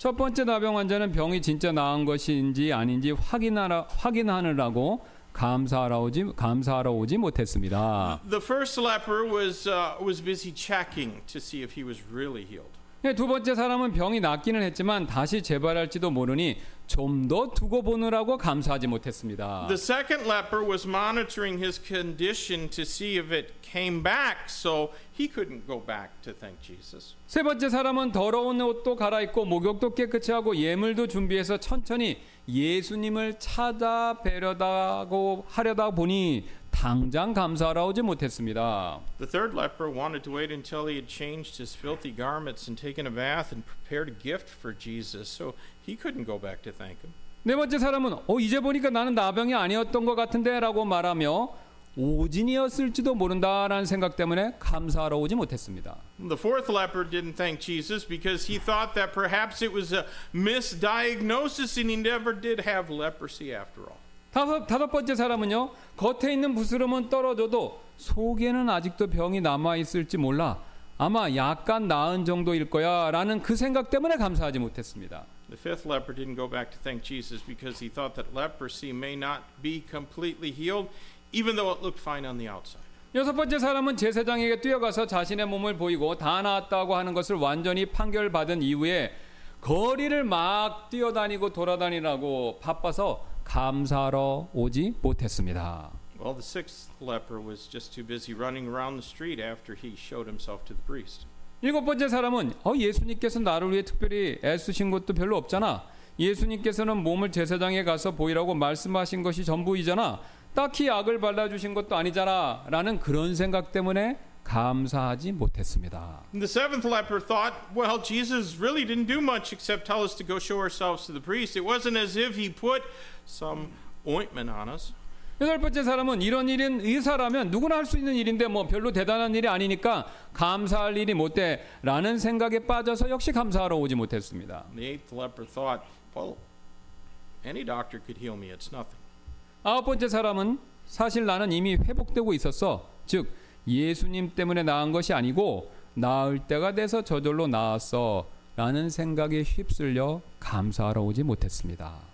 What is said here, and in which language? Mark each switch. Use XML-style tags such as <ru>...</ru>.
<ko>첫 번째 나병 환자는 병이 진짜 나은 것인지 아닌지 확인하느라고 감사하러 오지 못했습니다.</ko> <en>The first leper was busy checking to see if he was really healed.</en> <ko>두 번째 사람은 병이 낫기는 했지만 다시 재발할지도 모르니 좀 더 두고 보느라고 감사하지 못했습니다.</ko> <en>The second leper was monitoring his condition to see if it came back, so he couldn't go back to thank Jesus.</en> <ko>세 번째 사람은 더러운 옷도 갈아입고 목욕도 깨끗이 하고 예물도 준비해서 천천히 예수님을 찾아뵈려고 하려다 보니 당장 감사하러 오지 못했습니다.</ko> <en>The third leper wanted to wait until he had changed his filthy garments and taken a bath and prepared a gift for Jesus, so he couldn't go back to thank him.</en> <ko>네 번째 사람은 이제 보니까 나는 나병이 아니었던 것 같은데라고 말하며 오진이었을지도 모른다라는 생각 때문에 감사하러 오지 못했습니다.</ko> <en>The fourth leper didn't thank Jesus because he thought that perhaps it was a misdiagnosis and he never did have leprosy after all.</en> <ko>다섯 번째 사람은요 겉에 있는 부스럼은 떨어져도 속에는 아직도 병이 남아 있을지 몰라 아마 약간 나은 정도일 거야 라는 그 생각 때문에 감사하지 못했습니다.</ko> <en>The fifth leper didn't go back to thank Jesus because he thought that leprosy may not be completely healed even though it looked fine on the outside.</en> <ko>여섯 번째 사람은 제사장에게 뛰어가서 자신의 몸을 보이고 다 나았다고 하는 것을 완전히 판결받은 이후에 거리를 막 뛰어다니고 돌아다니라고 바빠서 감사하러 오지 못했습니다.</ko> <en>Well, the sixth leper was just too busy running around the street after he showed himself to the priest.</en> <ko>일곱 번째 사람은 예수님께서 나를 위해 특별히 애쓰신 것도 별로 없잖아. 예수님께서는 몸을 제사장에 가서 보이라고 말씀하신 것이 전부이잖아. 딱히 약을 발라주신 것도 아니잖아. 라는 그런 생각 때문에 감사하지 못했습니다.</ko> <en>And the seventh leper thought, well, Jesus really didn't do much except tell us to go show ourselves to the priest. It wasn't as if he put some ointment on us.</en> <ko>여덟 번째 사람은 이런 일은 의사라면 누구나 할 수 있는 일인데 뭐 별로 대단한 일이 아니니까 감사할 일이 못 돼라는 생각에 빠져서 역시 감사하러 오지 못했습니다.</ko> <en>And the eighth leper thought, well, any doctor could heal me. It's nothing.</en> <ko>아홉 번째 사람은 사실 나는 이미 회복되고 있었어. 즉 예수님 때문에 나은 것이 아니고 나을 때가 돼서 저절로 나았어 라는 생각에 휩쓸려 감사하러 오지 못했습니다.</ko>